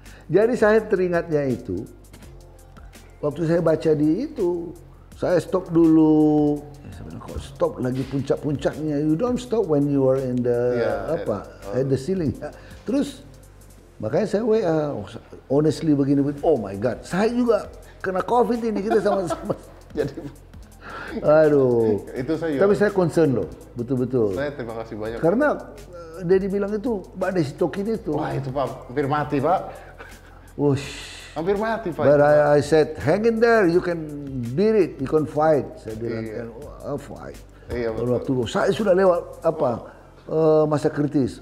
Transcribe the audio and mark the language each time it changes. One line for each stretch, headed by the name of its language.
Indonesian: Jadi saya teringatnya itu waktu saya baca di itu. Saya stop dulu. Sebenarnya kok stop lagi puncak-puncaknya.
English: You don't stop when you are in the at the ceiling.
Indonesian: Terus makanya saya WA honestly begini.
English: Oh my god,
Indonesian: saya juga kena COVID ini kita sama-sama. Jadi, aduh. Itu saya. Tapi saya concern loh, betul-betul. Saya terima kasih banyak. Karena Daddy bilang itu Pak Desi Tokin itu. Wah itu Pak, hampir mati Pak. Wush. Hampir mati Pak.
English: But I said, hang in there, you can beat it, you can fight.
Indonesian: Saya bilang,
English: I'll fight.
Indonesian: Iya betul. Waktu saya sudah lewat apa masa kritis.